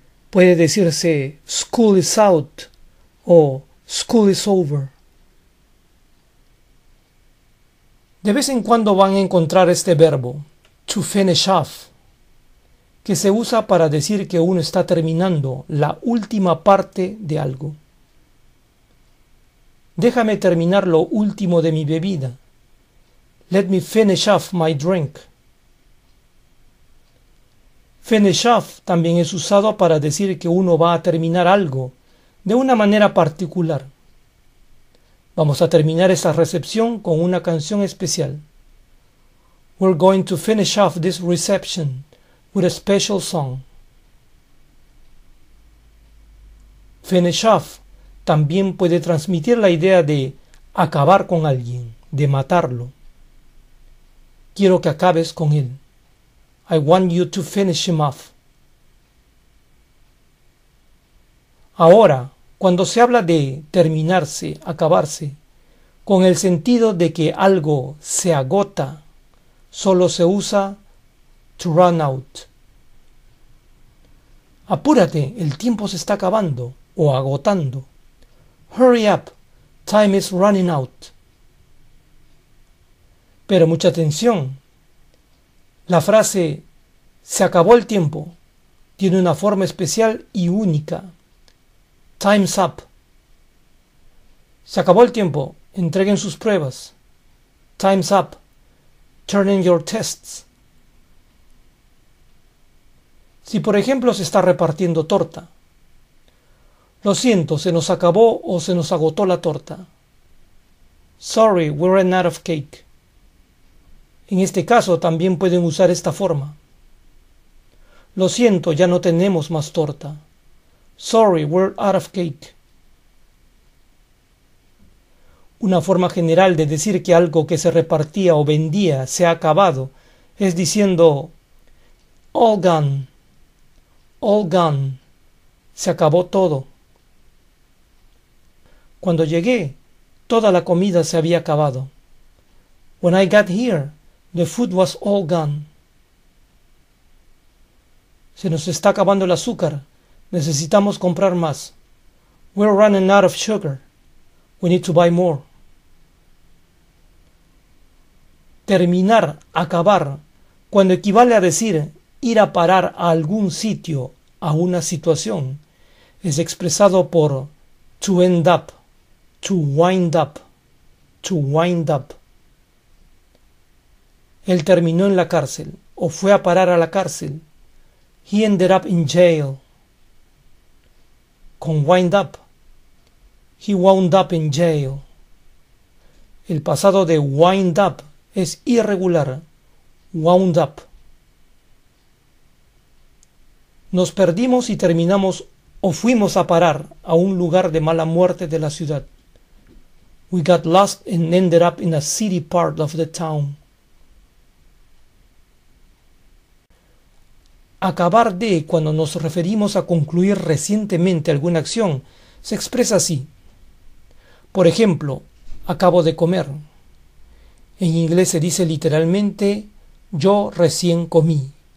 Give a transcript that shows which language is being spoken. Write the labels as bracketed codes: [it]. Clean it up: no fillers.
[es] Puede decirse [en] school is out o school is over. [es] De vez en cuando van a encontrar este verbo, [en] to finish off, [es] que se usa para decir que uno está terminando la última parte de algo. Déjame terminar lo último de mi bebida. [en] Let me finish off my drink. [es] Finish off también es usado para decir que uno va a terminar algo de una manera particular. Vamos a terminar esta recepción con una canción especial. [en] We're going to finish off this reception with a special song. [es] Finish off también puede transmitir la idea de acabar con alguien, de matarlo. Quiero que acabes con él. [en] I want you to finish him off. [es] Ahora, cuando se habla de terminarse, acabarse, con el sentido de que algo se agota, solo se usa [en] to run out. [es] Apúrate, el tiempo se está acabando o agotando. [en] Hurry up, time is running out. [es] Pero mucha atención. La frase se acabó el tiempo tiene una forma especial y única. [en] Time's up. [es] Se acabó el tiempo, entreguen sus pruebas. [en] Time's up, turn in your tests. [es] Si por ejemplo se está repartiendo torta. Lo siento, se nos acabó o se nos agotó la torta. [en] Sorry, we ran out of cake. [es] En este caso también pueden usar esta forma. Lo siento, ya no tenemos más torta. [en] Sorry, we're out of cake. [es] Una forma general de decir que algo que se repartía o vendía se ha acabado es diciendo [en] all gone, all gone, [es] se acabó todo. Cuando llegué, toda la comida se había acabado. [en] When I got here, the food was all gone. [es] Se nos está acabando el azúcar. Necesitamos comprar más. [en] We're running out of sugar. We need to buy more. [es] Terminar, acabar, cuando equivale a decir ir a parar a algún sitio, a una situación, es expresado por [en] to end up, to wind up, to wind up. [es] Él terminó en la cárcel o fue a parar a la cárcel. [en] He ended up in jail. [es] Con wind up. [en] He wound up in jail. [es] El pasado de wind up es irregular. [en] Wound up. [es] Nos perdimos y terminamos o fuimos a parar a un lugar de mala muerte de la ciudad. [en] We got lost and ended up in a city part of the town. [es] Acabar de, cuando nos referimos a concluir recientemente alguna acción, se expresa así. Por ejemplo, acabo de comer. En inglés se dice literalmente, yo recién comí.